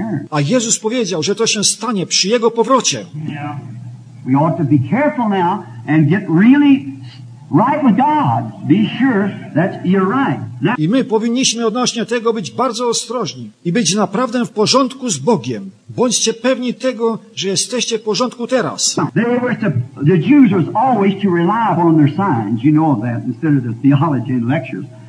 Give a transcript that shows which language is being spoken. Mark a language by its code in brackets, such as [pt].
[pl] A Jezus powiedział, że to się stanie przy Jego powrocie. [en] We ought to be careful now and get really right with God. Be sure that you're right. [pl] I my powinniśmy odnośnie tego być bardzo ostrożni i być naprawdę w porządku z Bogiem. Bądźcie pewni tego, że jesteście w porządku teraz. [en] The Jews were always to rely upon their signs. You know that instead of the theology and lectures.